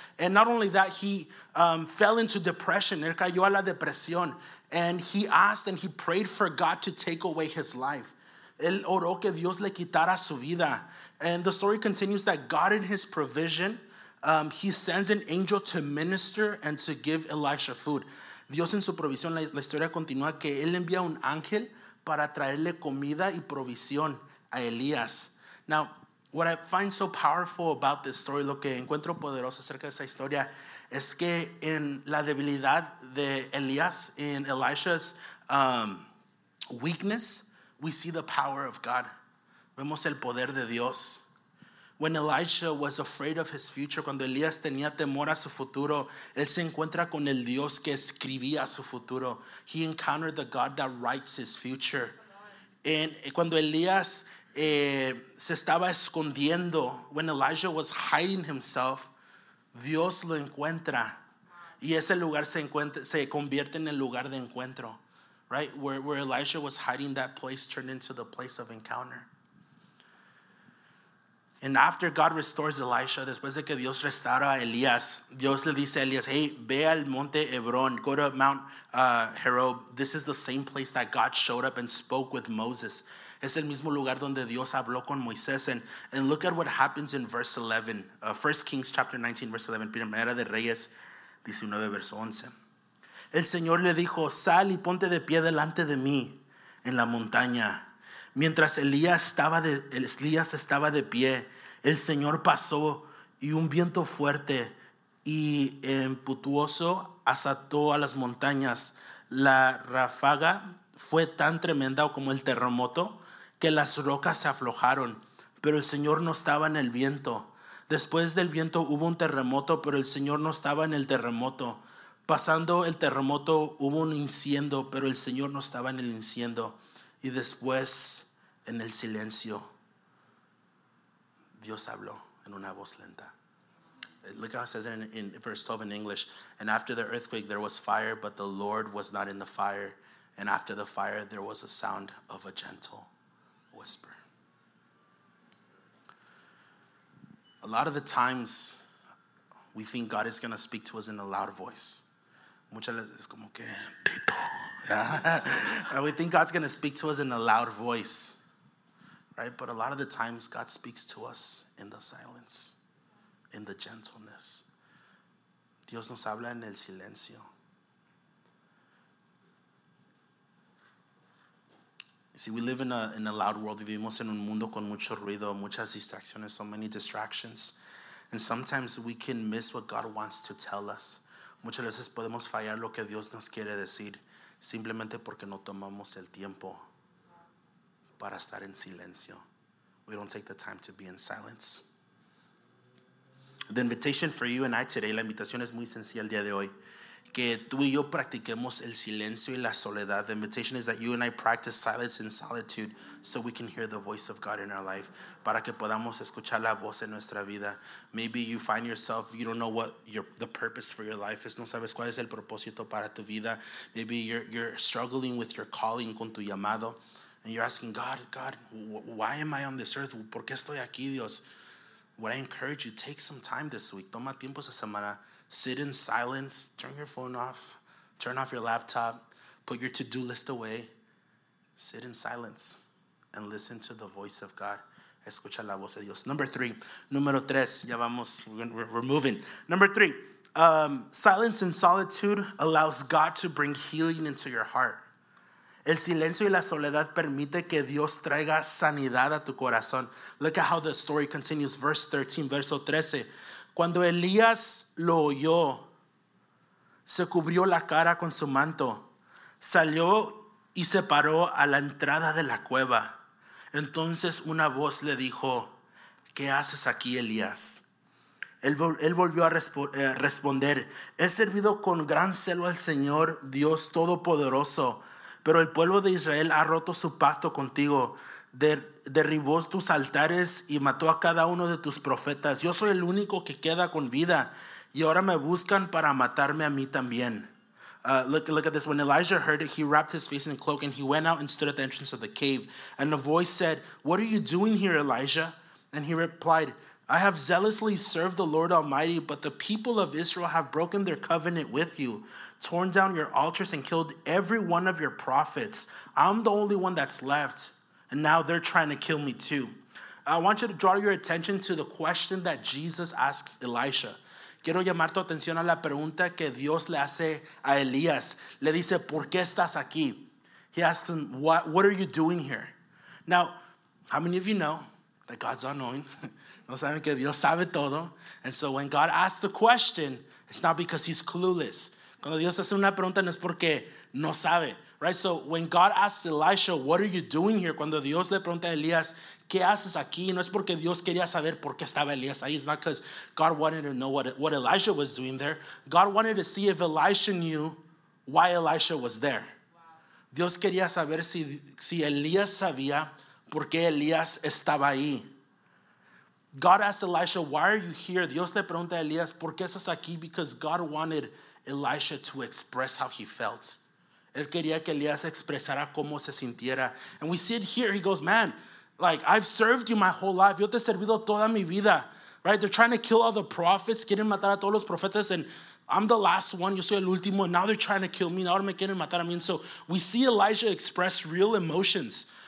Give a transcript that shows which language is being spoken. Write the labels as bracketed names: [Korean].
[English] And not only that, he fell into depression. [Spanish] Él cayó a la depresión. [English] And he asked and he prayed for God to take away his life. [Spanish] Él oró que Dios le quitara su vida. [English] And the story continues that God, in his provision, he sends an angel to minister and to give Elisha food. [Spanish] Dios en su provisión, la historia continúa que él envía un ángel para traerle comida y provisión a Elías. [English] Now, what I find so powerful about this story, [Spanish] lo que encuentro poderoso acerca de esta historia, es que en la debilidad de Elías, [English] in Elisha's weakness, we see the power of God. [Spanish] Vemos el poder de Dios. [English] When Elijah was afraid of his future, [Spanish] cuando Elías tenía temor a su futuro, él se encuentra con el Dios que escribía su futuro. [English] He encountered the God that writes his future. [Spanish] Cuando Elías se estaba escondiendo, [English] when Elijah was hiding himself, [Spanish] Dios lo encuentra. Y ese lugar se convierte en el lugar de encuentro. [English] Right? Where Elijah was hiding, that place turned into the place of encounter. And after God restores Elisha, [Spanish] después de que Dios restaura a Elías, Dios le dice a Elías, hey, ve al monte Hebrón, [English] go to Mount Horeb. This is the same place that God showed up and spoke with Moses. [Spanish] Es el mismo lugar donde Dios habló con Moisés. [English] And look at what happens in verse 11, 1 Kings chapter 19, verse 11, [Spanish] Primera de Reyes 19, [English] verse 11. [Spanish] El Señor le dijo, sal y ponte de pie delante de mí en la montaña. Mientras Elías estaba de pie, el Señor pasó y un viento fuerte y impetuoso azotó a las montañas. La ráfaga fue tan tremenda como el terremoto que las rocas se aflojaron, pero el Señor no estaba en el viento. Después del viento hubo un terremoto, pero el Señor no estaba en el terremoto. Pasando el terremoto hubo un incendio, pero el Señor no estaba en el incendio. Y después, en el silencio, Dios habló en una voz lenta. [English] Look how it says in verse 12 in English. And after the earthquake, there was fire, but the Lord was not in the fire. And after the fire, there was a sound of a gentle whisper. A lot of the times, we think God is going to speak to us in a loud voice. [Spanish] Muchas veces es como que, Tito. [English] Yeah. And we think God's going to speak to us in a loud voice. Right? But a lot of the times, God speaks to us in the silence, in the gentleness. [Spanish] Dios nos habla en el silencio. [English] See, we live in a loud world. [Spanish] Vivimos en un mundo con mucho ruido, muchas distracciones, [English] so many distractions. And sometimes we can miss what God wants to tell us. [Spanish] Muchas veces podemos fallar lo que Dios nos quiere decir simplemente porque no tomamos el tiempo para estar en silencio. [English] We don't take the time to be in silence. The invitation for you and I today, [Spanish] la invitación es muy sencilla el día de hoy. Que tú y yo practiquemos el silencio y la soledad. [English] The invitation is that you and I practice silence and solitude so we can hear the voice of God in our life. [Spanish] Para que podamos escuchar la voz en nuestra vida. [English] Maybe you find yourself, you don't know what the purpose for your life is. [Spanish] No sabes cuál es el propósito para tu vida. [English] Maybe you're struggling with your calling, [Spanish] con tu llamado. [English] And you're asking, God, why am I on this earth? [Spanish] ¿Por qué estoy aquí, Dios? [English] What I encourage you, take some time this week. [Spanish] Toma tiempo esa semana. [English] Sit in silence, turn your phone off, turn off your laptop, put your to-do list away. Sit in silence and listen to the voice of God. [Spanish] Escucha la voz de Dios. Número tres, ya vamos, [English] we're moving. Number three, silence and solitude allows God to bring healing into your heart. [Spanish] El silencio y la soledad permite que Dios traiga sanidad a tu corazón. [English] Look at how the story continues, verse 13, [Spanish] verso 13. Cuando Elías lo oyó, se cubrió la cara con su manto, salió y se paró a la entrada de la cueva. Entonces una voz le dijo, ¿qué haces aquí, Elías? Él volvió a responder, he servido con gran celo al Señor Dios Todopoderoso, pero el pueblo de Israel ha roto su pacto contigo. Derribó tus altares y mató a cada uno de tus profetas. Yo soy el único que queda con vida y ahora me buscan para matarme a mí también. [English] Look at this. When Elijah heard it, he wrapped his face in a cloak and he went out and stood at the entrance of the cave. And a voice said, what are you doing here, Elijah? And he replied, I have zealously served the Lord Almighty, but the people of Israel have broken their covenant with you, torn down your altars and killed every one of your prophets. I'm the only one that's left. And now they're trying to kill me too. I want you to draw your attention to the question that Jesus asks Elisha. [Spanish] Quiero llamar tu atención a la pregunta que Dios le hace a Elías. Le dice, ¿por qué estás aquí? [English] He asks him, what are you doing here? Now, how many of you know that God's all-knowing? [Spanish] No saben que Dios sabe todo. [English] And so when God asks a question, it's not because he's clueless. [Spanish] Cuando Dios hace una pregunta, no es porque no sabe. [English] Right, so when God asks Elisha, what are you doing here? [Spanish] Cuando Dios le pregunta a Elías, ¿qué haces aquí? No es porque Dios quería saber por qué estaba Elías ahí. [English] It's not because God wanted to know what Elijah was doing there. God wanted to see if Elisha knew why Elisha was there. Wow. [Spanish] Dios quería saber si Elías sabía por qué Elías estaba ahí. [English] God asked Elisha, why are you here? [Spanish] Dios le pregunta a Elías, ¿por qué estás aquí? [English] Because God wanted Elisha to express how he felt. [Spanish] Él quería que Elías expresara cómo se sintiera. [English] And we see it here. He goes, man, like, I've served you my whole life. [Spanish] Yo te he servido toda mi vida. [English] Right? They're trying to kill all the prophets. [Spanish] Quieren matar a todos los profetas. [English] And I'm the last one. [Spanish] Yo soy el último. [English] Now they're trying to kill me. [Spanish] Ahora me quieren matar a mí. [English] And so we see Elijah express real emotions.